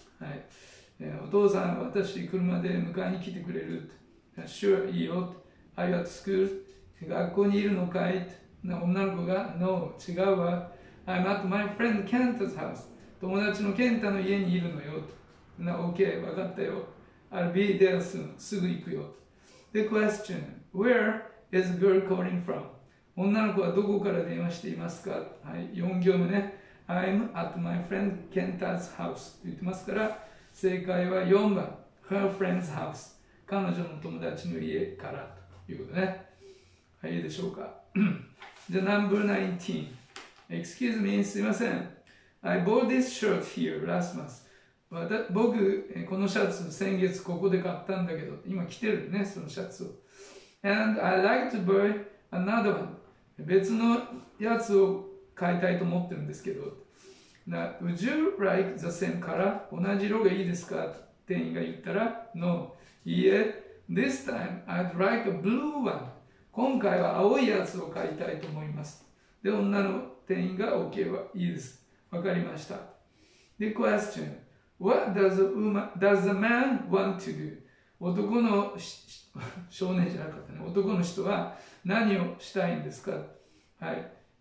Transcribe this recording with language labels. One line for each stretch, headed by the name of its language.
Japanese: はい、お父さん、私、車で迎えに来てくれる。
English: Sure,
Japanese: いいよ。
English: Are you at school?
Japanese: 学校にいるのかい？女の子が、
English: No,
Japanese: 違うわ。
English: I'm at my friend Kenta's house.
Japanese: 友達のケンタの家にいるのよ。と。な、OK、わかったよ。
English: I'll be there soon.
Japanese: すぐ行くよ。
English: The question, where is the girl calling from?
Japanese: 女の子はどこから電話していますか？はい、4行目ね。
English: I'm at my friend Kenta's house.
Japanese: と言ってますから、正解は4番。
English: Her friend's house.
Japanese: 彼女の友達の家から。ということね。はい、いいでしょうか。
English: じゃあ、Number 19. Excuse me,
Japanese: すいません。
English: I bought this shirt here last month.
Japanese: 僕、このシャツ先月ここで買ったんだけど、今着てるね、そのシャツを。
English: And I like to buy another one.
Japanese: 別のやつを買いたいと思ってるんですけど。
English: Would you like the same color?
Japanese: 同じ色がいいですか？店員が言ったら、No.
English: いいえ、This time I'd like a blue one.
Japanese: 今回は青いやつを買いたいと思います。で、女の店員が OK はいいです。わかりました。
English: The question. What does the man want to do?
Japanese: 男の少年じゃなかったね。男の人は何をしたいんですか？はい。